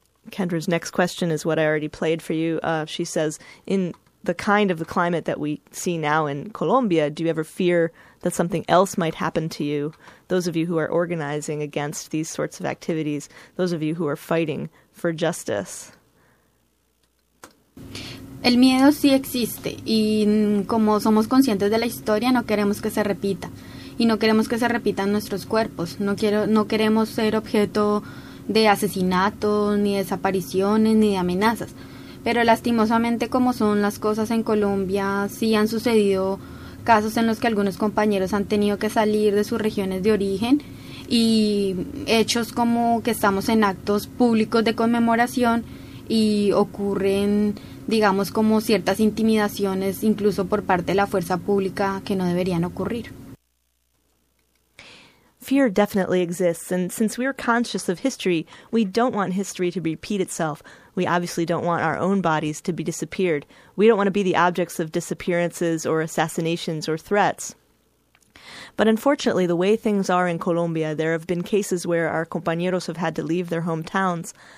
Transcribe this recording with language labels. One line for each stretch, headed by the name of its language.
English: Kendra's next question is what I already played for you. She says, in the kind of the climate that we see now in Colombia, do you ever fear that something else might happen to you, those of you who are organizing against these sorts of activities, those of you who are fighting for justice?
Spanish: El miedo sí existe, y como somos conscientes de la historia, no queremos que se repita, y no queremos que se repitan nuestros cuerpos. No queremos ser objeto de asesinatos, ni desapariciones, ni de amenazas. Pero lastimosamente, como son las cosas en Colombia, sí han sucedido casos en los que algunos compañeros han tenido que salir de sus regiones de origen, y hechos como que estamos en actos públicos de conmemoración y ocurren digamos, como ciertas intimidaciones, incluso por parte de la fuerza pública, que no deberían ocurrir.
English: Fear definitely exists, and since we're conscious of history, we don't want history to repeat itself. We obviously don't want our own bodies to be disappeared. We don't want to be the objects of disappearances or assassinations or threats. But unfortunately, the way things are in Colombia, there have been cases where our compañeros have had to leave their hometowns.